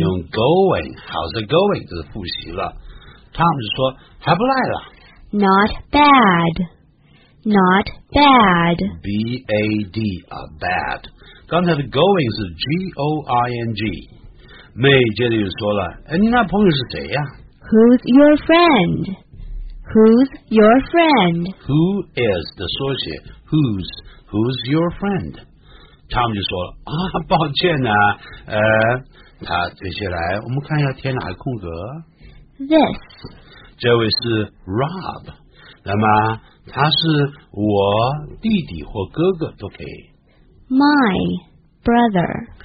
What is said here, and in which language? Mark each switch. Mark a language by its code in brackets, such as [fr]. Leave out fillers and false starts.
[zh] 用 going, [en] how's it going? [zh] 这是复习了。Tom 就说还不赖了。 [en] Not bad, not bad. B-A-D, a bad. [zh] 刚才的 going 是 G-O-I-N-G. May 接着又说了，哎，你那朋友是谁呀？ [en] Who's your friend? Who's your friend? Who is 的缩写 ,who's, who's your friend? [zh] Tom 就说啊，抱歉呐、啊，他接下来我们看一下填哪个空格。 [en] This， [zh] 这位是 Rob， 那么他是我弟弟或哥哥都可以。 [en] My brother。